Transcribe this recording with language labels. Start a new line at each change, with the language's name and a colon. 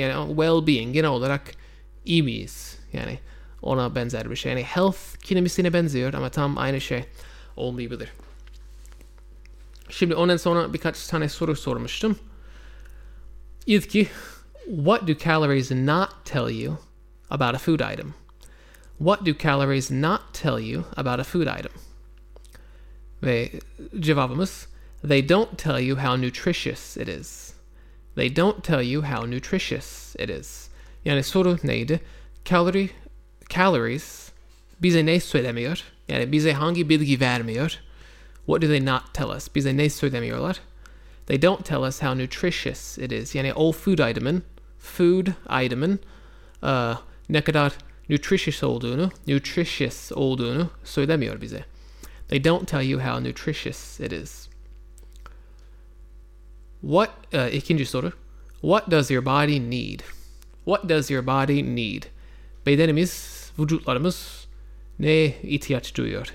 Turkish: Yani well-being genel olarak iyi miyiz? Yani ona benzer bir şey. Yani health kelimesine benziyor ama tam aynı şey olmayabilir. Şimdi ondan sonra birkaç tane soru sormuştum. İlki,
English: what do calories not tell you about a food item? What do calories not tell you about a food item?
Turkish: Ve cevabımız,
English: they don't tell you how nutritious it is. They don't tell you how nutritious it is.
Turkish: Yani soru neydi?
English: Calories
Turkish: bize ne söylemiyor? Yani bize hangi bilgi vermiyor?
English: What do they not tell us?
Turkish: Bize ne söylemiyorlar?
English: They don't tell us how nutritious it is.
Turkish: Yani o food itemin ne kadar nutritious olduğunu söylemiyor bize.
English: They don't tell you how nutritious it is. What,
Turkish: ikinci soru.
English: What does your body need? What does your body need?
Turkish: Bedenimiz, vücutlarımız ne ihtiyaç duyuyor?